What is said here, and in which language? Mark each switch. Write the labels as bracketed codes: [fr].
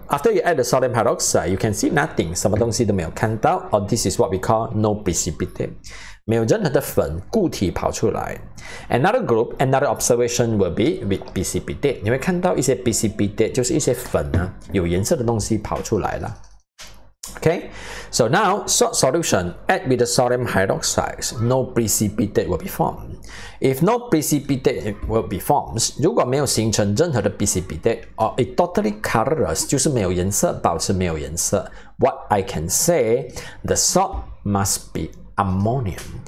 [en] After you add the sodium hydroxide, you can see nothing. [zh] 什么东西都没有看到. [en] Or this is what we call no precipitate. [zh] 没有任何的粉固体跑出来. [en] Another group, another observation will be with precipitate. [zh] 你会看到一些 precipitate, 就是一些粉啊, 有颜色的东西跑出来了.Okay? [en] So now, salt solution, add with the sodium hydroxide, no precipitate will be formed. If no precipitate will be formed, [zh] 如果没有形成任何的 [en] precipitate, or it totally colorless, [zh] 就是没有颜色, 保持没有颜色, [en] what I can say, the salt must be ammonium.